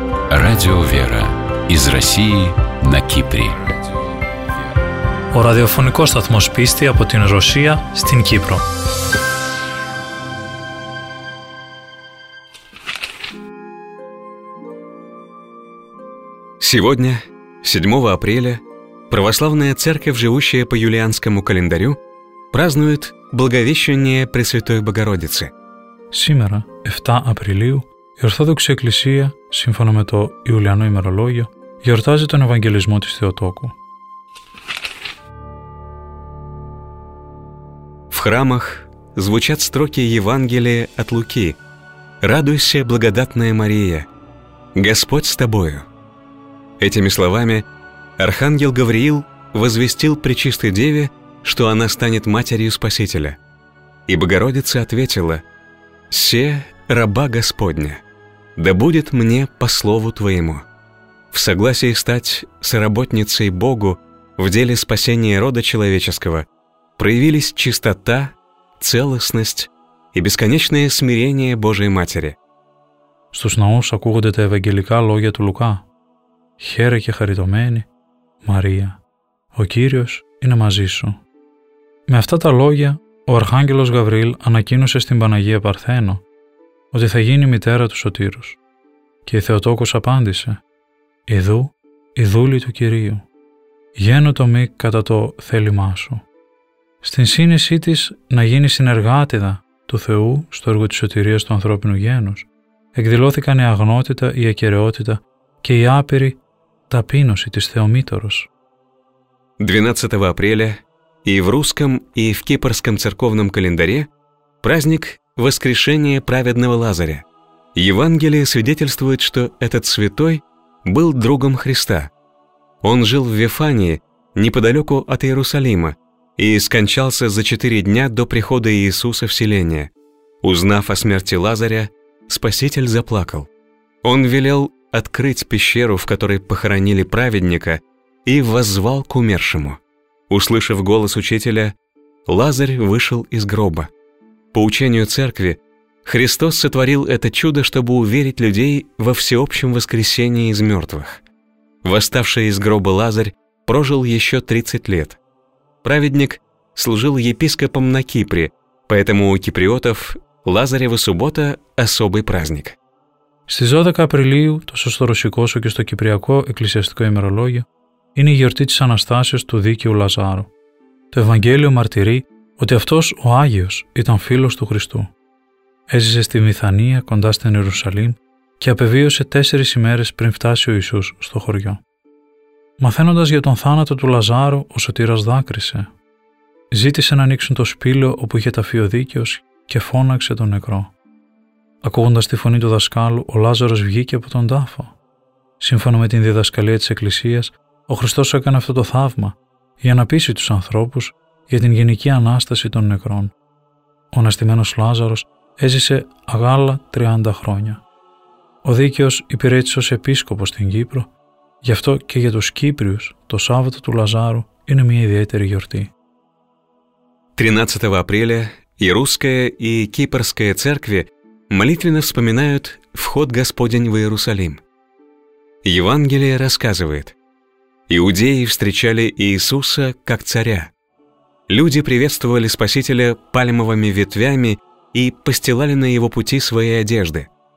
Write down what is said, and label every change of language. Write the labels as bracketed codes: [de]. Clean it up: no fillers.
[ru] Радио Вера из России на Кипре. [el] Ο ραδιοφωνικός σταθμός πίστη από την Ρωσία στην Κύπρο. [ru] Сегодня, 7 апреля, православная церковь, живущая по юлианскому календарю, празднует Благовещение Пресвятой Богородицы. Сегодня, 7 апреля, [el] η Ορθόδοξη Εκκλησία, σύμφωνα με το Ιουλιανό ημερολόγιο, γιορτάζει τον Ευαγγελισμό της Θεοτόκου. [ru] В храмах звучат строки Евангелия от Луки. «Радуйся, благодатная Мария! Господь с тобою!» Этими словами архангел Гавриил возвестил Пречистой Деве, что она станет матерью Спасителя. И Богородица ответила: «Се, раба Господня! Да будет мне по слову Твоему». В согласии стать соработницей Богу в деле спасения рода человеческого проявились чистота, целостность и бесконечное смирение Божией Матери. [el] Στους ναούς ακούγονται τα ευαγγελικά λόγια του Λουκά. «Χαίρε και χαριτωμένη, Μαρία, ο Κύριος είναι μαζί σου». Με αυτά τα λόγια, ο Αρχάγγελος Γαβρίλ ανακοίνωσε στην Παναγία Παρθένο ότι θα γίνει μητέρα του Σωτήρους. Και η Θεοτόκος απάντησε: «Ιδού, η δούλη του Κυρίου, γένω το μη κατά το θέλημά σου». Στην σύνεσή της να γίνει συνεργάτηδα του Θεού στο έργο της σωτηρίας του ανθρώπινου γένους, εκδηλώθηκαν η αγνότητα, η ακεραιότητα και η άπειρη ταπείνωση της Θεομήτωρος. [ru] 12 Απρίλια, и в русском, и в кипрском церковном календаре праздник Воскрешение праведного Лазаря. Евангелие свидетельствует, что этот святой был другом Христа. Он жил в Вифании, неподалеку от Иерусалима, и скончался за 4 дня до прихода Иисуса в селение. Узнав о смерти Лазаря, Спаситель заплакал. Он велел открыть пещеру, в которой похоронили праведника, и воззвал к умершему. Услышав голос Учителя, Лазарь вышел из гроба. По учению Церкви, Христос сотворил это чудо, чтобы уверить людей во всеобщем воскресении из мертвых. Восставший из гроба Лазарь прожил еще 30 лет. Праведник служил епископом на Кипре, поэтому у киприотов Лазарева суббота – особый праздник. [el] Στις 12 Απριλίου, τόσο στο ρωσικό όσο και στο κυπριακό εκκλησιαστικό ημερολόγιο, είναι η γιορτή της Αναστάσεως του δίκαιου Λαζάρου. Το Ευαγγέλιο μαρτυρεί ότι αυτός ο Άγιος ήταν φίλος του Χριστού. Έζησε στη Βηθανία κοντά στην Ιερουσαλήμ και απεβίωσε 4 ημέρες πριν φτάσει ο Ιησούς στο χωριό. Μαθαίνοντας για τον θάνατο του Λαζάρου, ο Σωτήρας δάκρυσε. Ζήτησε να ανοίξουν το σπήλαιο όπου είχε ταφεί ο δίκαιος και φώναξε τον νεκρό. Ακούγοντας τη φωνή του δασκάλου, ο Λάζαρος βγήκε από τον τάφο. Σύμφωνα με την διδασκαλία της Εκκλησίας, ο Χριστός έκανε αυτό το θαύμα για να πείσει τους ανθρώπους για την γενική ανάσταση των νεκρών. Ο αναστημένος Λάζαρος έζησε άλλα 30 χρόνια. Ο δίκαιος υπηρέτησε ως επίσκοπος στην Κύπρο, γι' αυτό και για τους Κύπριους το Σάββατο του Λαζάρου είναι μια ιδιαίτερη γιορτή. [ru] 13 Απρίλια η Ρούσκαια και η Κύπρσκαια Церкви молитвенно вспоминают вход Господень в Иерусалим. Евангелие рассказывает: «Иудеи встречали Иисуса как царя. Люди приветствовали Спасителя пальмовыми ветвями и постилали на Его пути свои одежды.